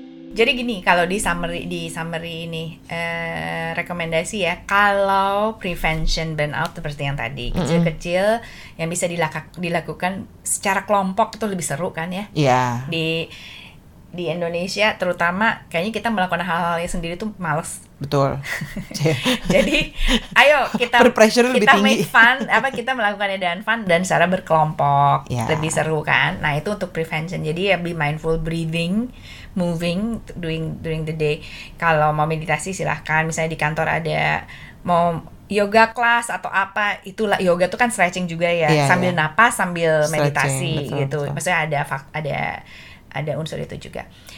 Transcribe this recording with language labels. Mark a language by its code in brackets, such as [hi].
[id] Jadi gini, kalau di summary ini rekomendasi ya, kalau prevention burnout seperti yang tadi, kecil-kecil yang bisa dilakukan secara kelompok itu lebih seru kan ya. Iya. Di Indonesia terutama kayaknya kita melakukan hal-hal yang sendiri tuh males. Betul. Jadi ayo kita pressure lebih tinggi. [en] Make fun, [id] apa kita melakukannya dengan fun dan secara berkelompok. Yeah. Lebih seru kan? Nah, itu untuk prevention. Jadi ya [en] be mindful breathing, moving during the day. [id] Kalau mau meditasi silahkan, misalnya di kantor ada mau yoga class atau apa, itulah yoga tuh kan stretching juga ya. Yeah, sambil napas sambil stretching, meditasi betul, gitu. Betul. Maksudnya ada unsur itu juga.